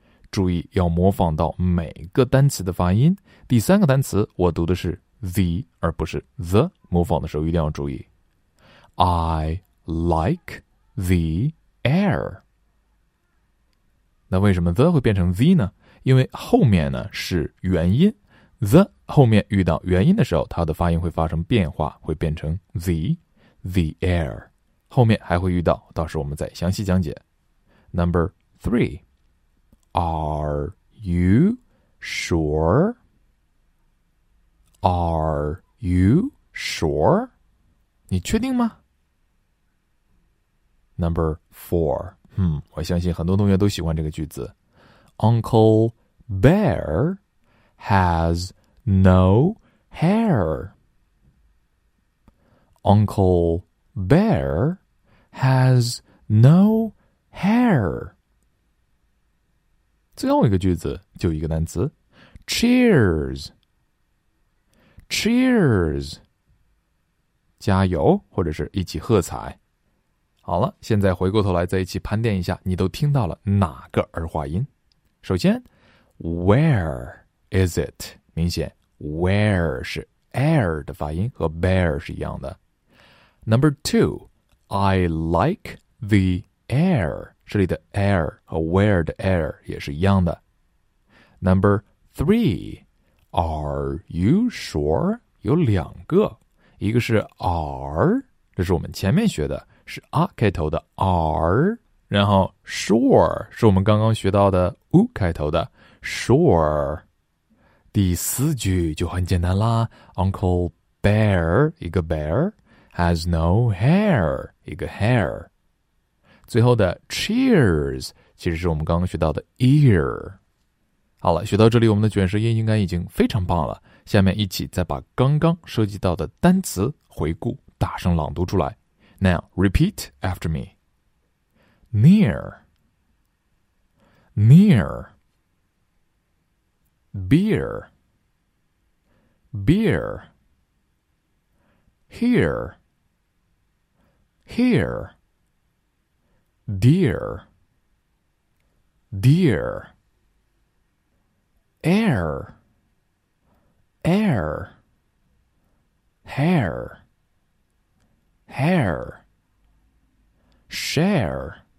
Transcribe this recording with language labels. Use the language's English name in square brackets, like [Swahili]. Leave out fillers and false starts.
[Chinese] 注意要模仿到每个单词的发音。第三个单词我读的是 the 而不是 the， 模仿的时候一定要注意。 [English] I like the air. Number four. [Chinese] 那为什么 the 会变成 z 呢？因为后面呢是元音， the 后面遇到元音的时候，它的发音会发生变化，会变成 z, the air。后面还会遇到，到时候我们再详细讲解。 [English] Number three, are you sure? Are you sure? [Chinese] 你确定吗？ [English] Number four, [Chinese] 我相信很多同学都喜欢这个句子。 [English] Uncle Bear has no hair. Uncle Bear has no hair. [Chinese] 最后一个句子就一个单词 ,cheers. Cheers. 加油或者是一起喝彩。好了，现在回过头来再一起盘点一下，你都听到了哪个儿化音。首先 [English] ,where is it? [Chinese] 明显 ,where 是 air 的发音，和 bear 是一样的。 [English] Number two, I like the air. [Chinese] 这里的 air 和 where 的 air 也是一样的。 [English] Number three, are you sure? [Chinese] 有两个，一个是 are, 这是我们前面学的，是 a 开头的 are。然后 sure 是我们刚刚学到的 u 开头的 sure。第四句就很简单啦， Uncle Bear 一个 bear [English] has no hair [Chinese] 一个 hair。最后的 cheers 其实是我们刚刚学到的 ear。好了，学到这里我们的卷舌音应该已经非常棒了，下面一起再把刚刚涉及到的单词回顾大声朗读出来。 [English] Now repeat after meNear, near, beer, beer, here, here, dear, dear, air, air, hair, hair, share.